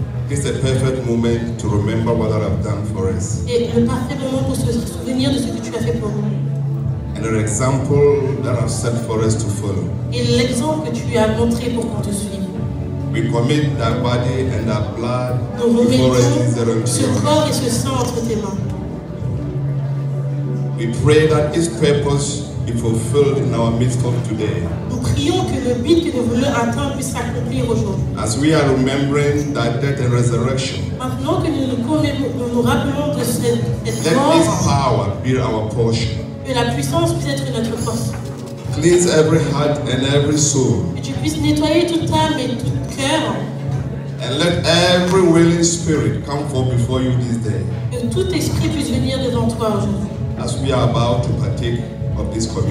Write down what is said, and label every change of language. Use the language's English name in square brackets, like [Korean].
[English] It's the perfect moment to remember what I have done for us. [French] Et le parfait moment pour se souvenir de ce que tu as fait pour nous. [English] And and an example that has set for us to follow. [French] Et l'exemple que tu as montré pour qu'on te suive. [English] We commit that body and that blood before us in the room. [French] Ce corps et ce sang entre tes mains. [English] We pray that His purpose be fulfilled in our midst of today. [French] Nous prions que le but que nous voulons atteindre puisse s'accomplir aujourd'hui. [English] As we are remembering that death and resurrection. [French] Maintenant que nous rappelons de cette mort. [English] Let His power be our portion. [French] Que la puissance puisse être notre force. [English] Cleanse every heart and every soul. [French] Que tu puisses nettoyer toute âme et tout cœur. [English] And let every willing spirit come forth before you this day. [French] Que tout esprit puisse venir devant toi aujourd'hui. [English] As we are about to partake of this